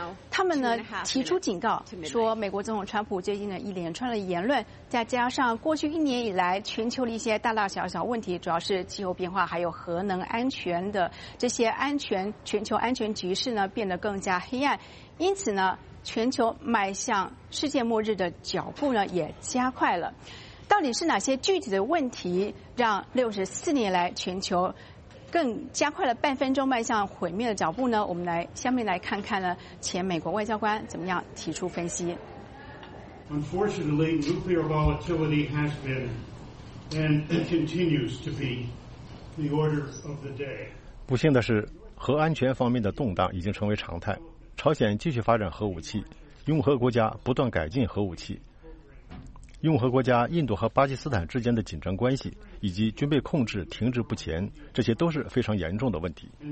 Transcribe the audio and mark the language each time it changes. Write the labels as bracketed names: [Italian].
[Chinese] 他们呢提出警告说，美国总统川普最近的一连串的言论，再加上过去一年以来全球的一些大大小小问题，主要是气候变化还有核能安全的这些安全，全球安全局势呢变得更加黑暗，因此呢，全球迈向世界末日的脚步呢也加快了。到底是哪些具体的问题让64年来全球更加快了半分钟迈向毁灭的脚步呢？我们来下面来看看呢，前美国外交官怎么样提出分析。 [English] Unfortunately, nuclear volatility has been and continues to be the order of the day. [Chinese] 不幸的是，核安全方面的动荡已经成为常态，朝鲜继续发展核武器，拥核国家不断改进核武器，拥核国家印度和巴基斯坦之间的紧张关系以及军备控制停滞不前，这些都是非常严重的问题。